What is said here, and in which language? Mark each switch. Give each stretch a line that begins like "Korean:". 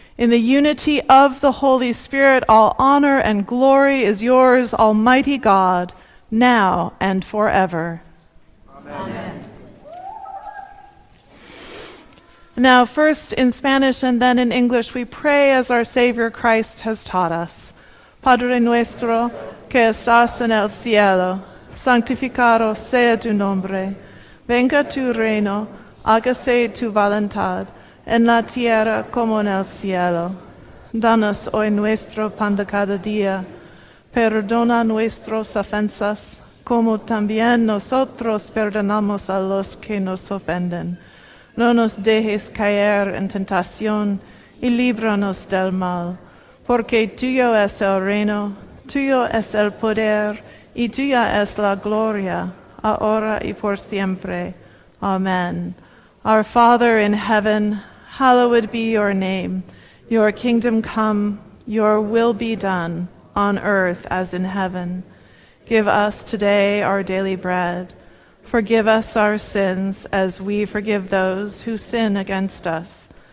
English: In the unity of the Holy Spirit, all honor and glory is yours, Almighty God, now and forever. Amen. Now, first in Spanish and then in English, we pray as our Savior Christ has taught us.
Spanish: Padre nuestro que estás en el cielo, santificado sea tu nombre. Venga tu reino, hágase tu voluntad, en la tierra como en el cielo. Danos hoy nuestro pan de cada día. Perdona nuestras ofensas, como también nosotros perdonamos a los que nos ofenden. No nos dejes caer en tentación y líbranos del mal, porque tuyo es el reino, tuyo es el poder y tuya es la gloria, ahora y por siempre. Amen.
English: Our Father in heaven, hallowed be your name. Your kingdom come, your will be done, on earth as in heaven. Give us today our daily bread. Forgive us our sins as we forgive those who sin against us.